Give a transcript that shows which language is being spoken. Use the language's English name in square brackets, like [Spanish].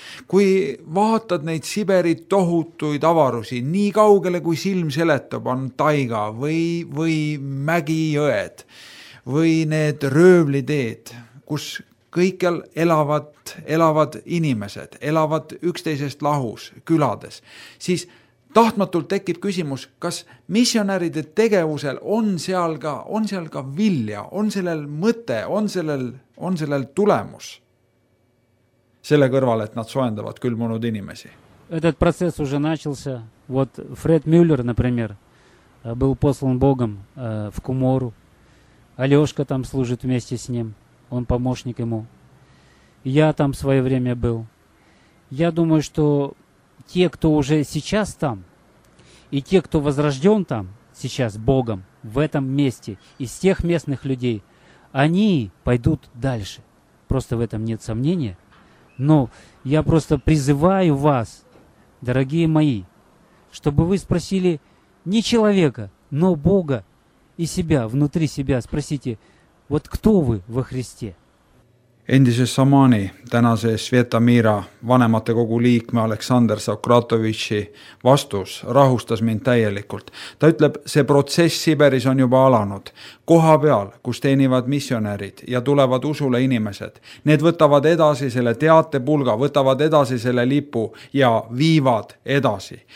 [Estonian] Kui vaatad neid Siberi tohutuid avarusi, nii kaugele kui silm seletab, on taiga või mägijõed või need röövliteed, kus kõikel elavad inimesed, elavad üksteisest lahus, külades, siis tahtmatult tekib küsimus, kas missionäride tegevusel on seal ka vilja, on sellel mõte, on sellel tulemus? Selle kõrval, et nad soendavad külmunud inimesi. [Russian] Этот процесс уже начался. Вот Фред Мюллер, например, был послан Богом в Кумору. Алёшка там служит вместе с ним. Он помощник ему. Я там в своё время был. Я думаю, что те, кто уже сейчас там, и те, кто возрождён там сейчас Богом в этом месте, из тех местных людей, они пойдут дальше. Просто в этом нет сомнения. Но я просто призываю вас, дорогие мои, чтобы вы спросили не человека, но Бога и себя, внутри себя. Спросите, вот кто вы во Христе? [Estonian] Endise Samani, tänase Sveta Mira, vanemate kogu liikme Aleksandr Sokratovitši vastus rahustas mind täielikult. Ta ütleb, see protsess Siberis on juba alanud. Koha peal, kus teenivad missionärid ja tulevad usule inimesed, need võtavad edasi selle teatepulga, võtavad edasi selle lipu ja viivad edasi.